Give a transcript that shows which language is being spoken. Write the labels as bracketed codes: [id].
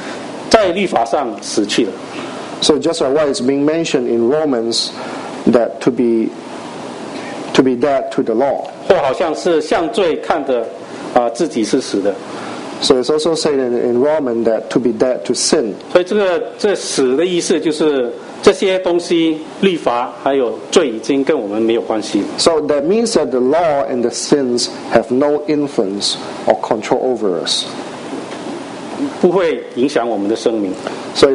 [zh] 就好像在罗马书那边提到的，在律法上死去了。 [en] So just like what is being mentioned in Romans, that to be dead to the law. [zh] 或好像是向罪看的，自己是死的。 [en] So it's also said in Romans that to be dead to sin. [zh] 所以这死的意思就是这些东西，律法还有罪已经跟我们没有关系。 [en] So that means that the law and the sins have no influence or control over us. [zh] 不会影响我们的生命。 [en] So